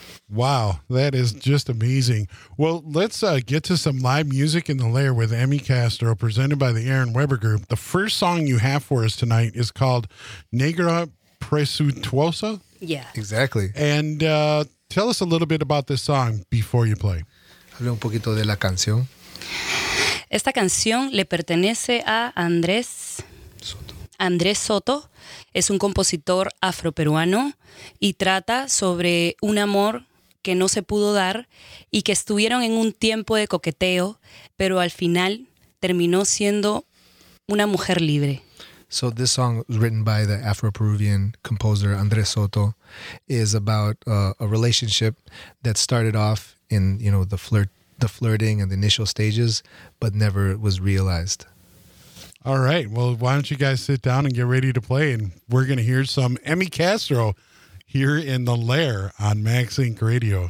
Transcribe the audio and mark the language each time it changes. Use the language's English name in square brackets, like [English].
[English] Wow, that is just amazing. Well, let's get to some live music in the lair with Emmy Castro, presented by the Aaron Weber Group. The first song you have for us tonight is called Negra Presuntuosa. Yeah, exactly. And tell us a little bit about this song before you play. [Spanish] Hable un poquito de la canción. Esta canción le pertenece a Andrés Soto. Andrés Soto es un compositor afroperuano y trata sobre un amor que no se pudo dar y que estuvieron en un tiempo de coqueteo, pero al final terminó siendo una mujer libre. [English] So this song was written by the Afro-Peruvian composer Andrés Soto is about a relationship that started off in, you know, the flirting and the initial stages, but never was realized. All right. Well, why don't you guys sit down and get ready to play, and we're going to hear some Emmy Castro here in the lair on Mag Zinc Radio.